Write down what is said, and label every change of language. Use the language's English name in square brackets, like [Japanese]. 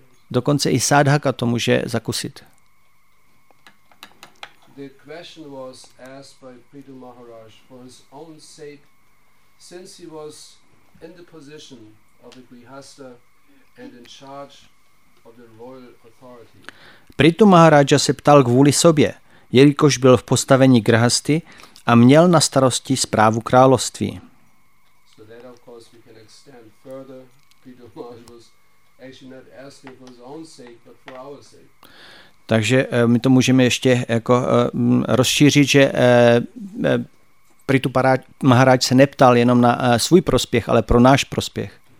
[Czech] Dokonce i sadhaka to může zakusit. [English] The question was asked by Prithu Maharaj for his own sake, since he was in the position of a grihastha and in charge of the royal authority. [Czech] Prithu Maharaja se ptal kvůli sobě, jelikož byl v postavení grihasty a měl na starosti správu království. [English] So that of course we can extend further. Prithu Maharaj was actually not asking for his own sake, but for our sake. [Czech] Takže my to můžeme ještě jako rozšířit, že Prithu Maharaj se neptal jenom na svůj prospěch, ale pro náš prospěch.